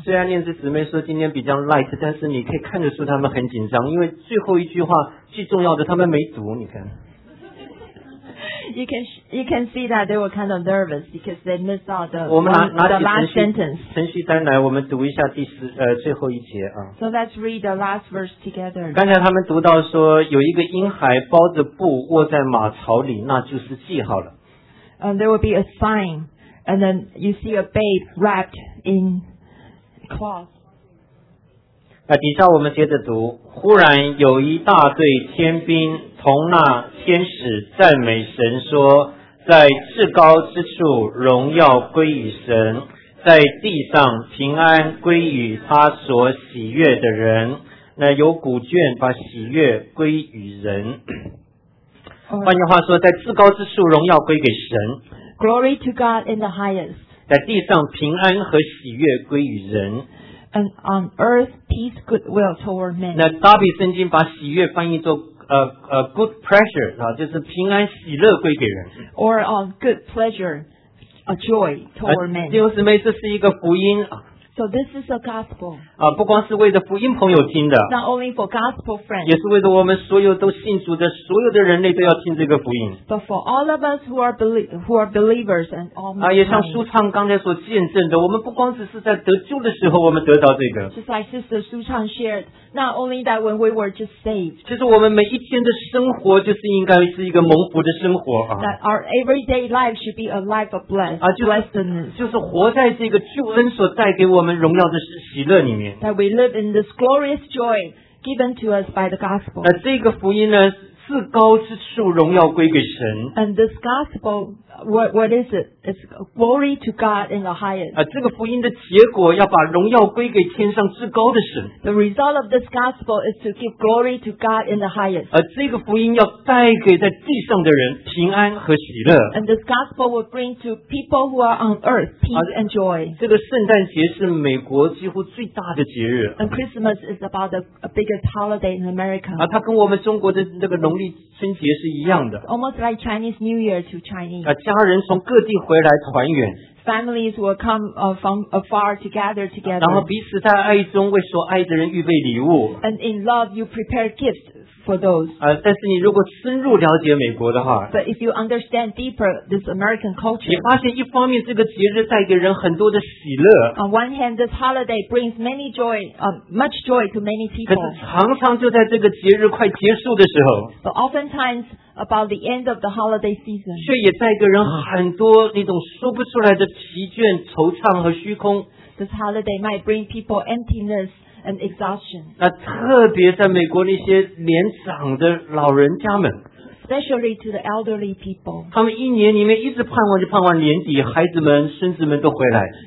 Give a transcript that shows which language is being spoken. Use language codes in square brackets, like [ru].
[zh] 虽然念慈姊妹说今天比较 light 但是你可以看得出他们很紧张因为最后一句话最重要的他们没读你看 [en] you can see that they were kind of nervous because they missed out the, [zh] 我们 [en] the last sentence [zh] 程序单来我们读一下第十最后一节、啊、 [en] so let's read the last verse together [zh] 刚才他们读到说有一个婴孩包着布卧在马槽里那就是记号了 [en] There will be a sign, and then you see a babe wrapped in cloth. [zh] 那底下我们接着读，忽然有一大队天兵同那天使赞美神说，在至高之处荣耀归于神，在地上平安归于他所喜悦的人，那有古卷把喜悦归于人。换句话说，在至高之处荣耀归给神。 [en] Glory to God in the highest. [zh] 在地上平安和喜悦归于人。 [en] And on earth, peace, goodwill toward men. [zh] 那大卫圣经把喜悦翻译作 [en] good pleasure [zh] 啊，就是平安喜乐归给人。 [en] Or on good pleasure, a joy toward men. [zh] 弟兄姊妹，这是一个福音。 [en] So this is a gospel. [zh] 啊，不光是为着福音朋友听的。 [en] Not only for gospel friends. [zh] 也是为着我们所有都信主的所有的人类都要听这个福音。 [en] But for all of us who are believers and all mankind. [zh] 啊，也像舒畅刚才所见证的，我们不光只是在得救的时候我们得到这个。 [en] Just like Sister Su Chang shared, not only that when we were just saved. [zh] 其实我们每一天的生活就是应该是一个蒙福的生活啊。 [en] That our everyday life should be a life of blessed, blessedness. [zh] 就是活在这个救恩所带给我们。我们荣耀的喜乐里面。 [en] That we live in this glorious joy given to us by the gospel. [zh] 那这个福音呢，至高之处荣耀归给神。 [en] And this gospel, what is it? It's glory to God in the highest. [zh] 啊，这个福音的结果要把荣耀归给天上至高的神。 [en] The result of this gospel is to give glory to God in the highest. [zh] 啊，这个福音要带给在地上的人平安和喜乐。 [en] And this gospel will bring to people who are on earth peace and joy. [zh] 这个圣诞节是美国几乎最大的节日。 [en] And Christmas is about the biggest holiday in America. [zh] 啊，它跟我们中国的那个农历春节是一样的。 [en] Almost like Chinese New Year to Chinese. [zh] 啊，家人从各地回来团圆。 [en] Families will come from afar to gather together. [zh] 然后彼此在爱中为所爱的人预备礼物。 [en] And in love, you prepare gifts for those. [zh] 啊，但是你如果深入了解美国的话 [en] ，But if you understand deeper this American culture, [zh] 你发现一方面这个节日带给人很多的喜乐。 [en] On one hand, this holiday brings many joy, much joy to many people. [zh] 可是常常就在这个节日快结束的时候 [en] ，But oftentimes. About the end of the holiday season, [zh] 却也带给人很多那种说不出来的疲倦、惆怅和虚空。 [en] This holiday might bring people emptiness and exhaustion. [zh] 那特别在美国那些年长的老人家们。 [en] Especially to the elderly people. [zh] 他们一年里面一直盼望，就盼望年底孩子们、孙子们都回来。